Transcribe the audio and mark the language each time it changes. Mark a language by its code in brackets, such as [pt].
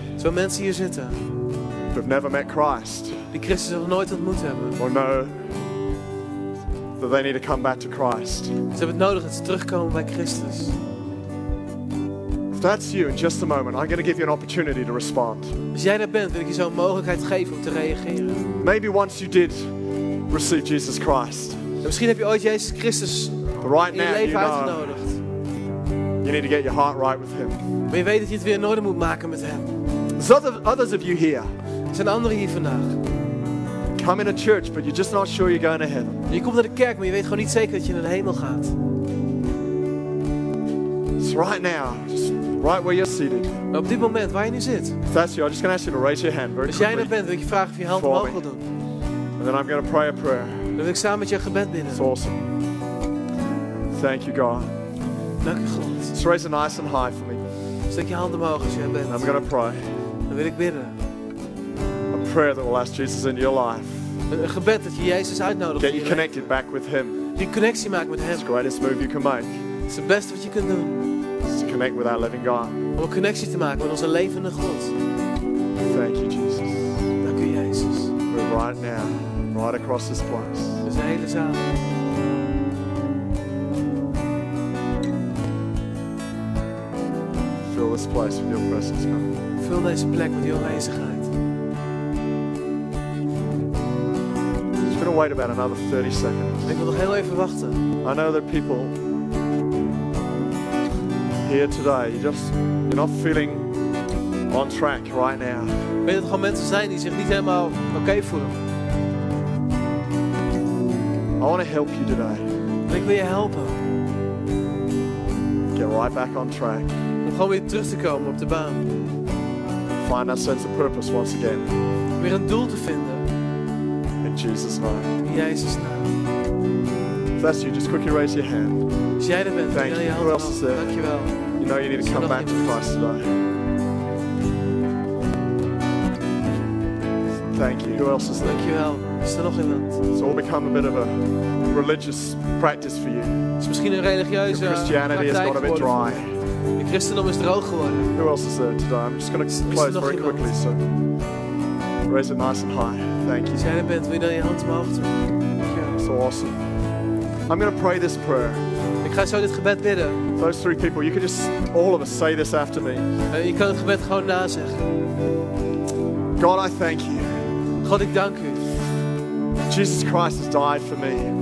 [nl] Terwijl mensen hier zitten. [en] Who've never met Christ. [nl] Die Christus nog nooit ontmoet hebben. [en] Or know that they need to come back to Christ. [nl] Ze hebben het nodig dat ze terugkomen bij Christus. [en] If that's you, in just a moment, I'm going to give you an opportunity to respond. [nl] Als jij dat bent, wil ik je zo'n mogelijkheid geven om te reageren. [en] Maybe once you did receive Jesus Christ. [nl] Misschien heb je ooit Jezus Christus in je leven uitgenodigd. [en] You need to get your heart right with Him. [nl] Maar je weet dat je het weer in orde moet maken met Hem. [en] There's others of you here. [nl] Er zijn anderen hier vandaag. [en] Come in a church, but you're just not sure you're going to heaven. [nl] Je komt naar de kerk, maar je weet gewoon niet zeker dat je naar de hemel gaat. [en] So right now, just right where you're seated. [nl] Maar op dit moment, waar je nu zit. [en] If that's you, I'm just going to ask you to raise your hand very quickly. [nl] Als jij er bent, wil ik je vragen of je hand omhoog wil doen. [en] And then I'm going to pray a prayer. [nl] Dan wil ik samen met je gebed bidden. [en] It's awesome. Thank you, God. [nl] Dank je, God. [en] So raise it nice and high for me. [nl] Steek je hand omhoog als jij bent. [en] And I'm going to pray. [nl] Dan wil ik bidden. [en] A prayer that will ask Jesus into your life. [nl] Een gebed dat je Jezus uitnodigt. [en] Get you connected back with Him. [nl] Die connectie maken met Hem. [en] It's the greatest move you can make. [nl] Het is het beste wat je kunt doen. [en] To connect with our living God. [nl] Om een connectie te maken met onze levende God. [en] Thank you, Jesus. [nl] Dank u, Jezus. [en] We're right now, right across this place. [nl] We zijn hele zaal. [en] Fill this place with Your presence, God. [nl] Vul deze plek met Uw aanwezigheid. [en] Wait about another 30 seconds. [nl] Ik wil nog heel even wachten. [en] I know that people here today, you're not feeling on track right now. [nl] Ik weet dat er gewoon mensen zijn die zich niet helemaal oké voelen. [en] I want to help you today. [nl] Ik wil je helpen. [en] Get right back on track. [nl] Om gewoon weer terug te komen op de baan. [en] Find that sense of purpose once again. [nl] Weer een doel te vinden. [en] Jesus' name. [nl] Jezus' naam. [en] If that's you, just quickly raise your hand. [nl] Als jij er bent, [en] thank you. Who else is there? [nl] Dankjewel. [en] You know you need to come back to Christ today. Thank you. Who else is there? [nl] Dankjewel. Is er nog iemand? [en] It's all become a bit of a religious practice for you. [nl] Het is misschien een religieuze [en] Christianity has got a bit dry. [nl] Je christendom is droog geworden. [en] Who else is there today? I'm just going to close very quickly, so raise it nice and high. Thank you. [nl] Jij er bent, wil je dan je hand omhoog doen? [en] So awesome. I'm going to pray this prayer. [nl] Ik ga zo dit gebed bidden. [en] Those three people, you can just all of us say this after me. [nl] Je kan het gebed gewoon nazeggen. [en] God, I thank you. [nl] God, ik dank u. [en] Jesus Christ has died for me.